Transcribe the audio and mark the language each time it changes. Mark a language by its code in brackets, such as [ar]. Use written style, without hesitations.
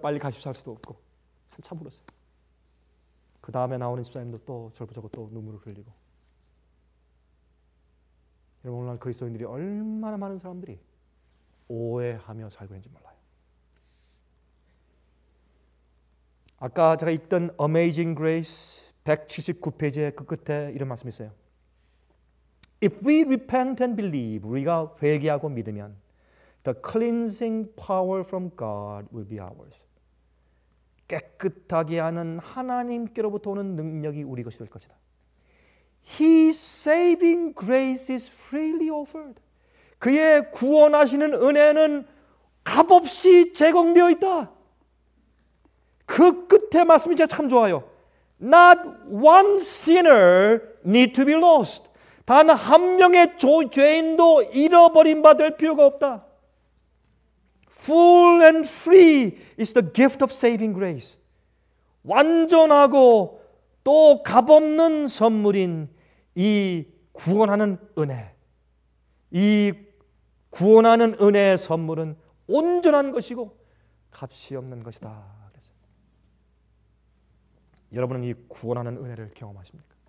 [ko] 빨리 가십시오 할 수도 없고 한참 울었어요. 그 다음에 나오는 집사님도 또 절부 저고 또 눈물을 흘리고 여러분 오늘날 그리스도인들이 얼마나 많은 사람들이 오해하며 살고 있는지 몰라요. 아까 제가 읽던 Amazing Grace 179페이지의 그 끝에 이런 말씀이 있어요. [en] If we repent and believe, [ko] 우리가 회개하고 믿으면 [en] The cleansing power from God will be ours. [ko] 깨끗하게 하는 하나님께로부터 오는 능력이 우리 것이 될 것이다. [en] His saving grace is freely offered. [ko] 그의 구원하시는 은혜는 값없이 제공되어 있다. 그 끝에 말씀이 제가 참 좋아요. [en] Not one sinner need to be lost. [ko] 단 한 명의 죄인도 잃어버린 바 될 필요가 없다. [en] Full and free is the gift of saving grace. [ko] 완전하고 또 값없는 선물인 이 구원하는 은혜. 이 구원하는 은혜의 선물은 온전한 것이고 값이 없는 것이다. 그래서 여러분은 이 구원하는 은혜를 경험하십니까?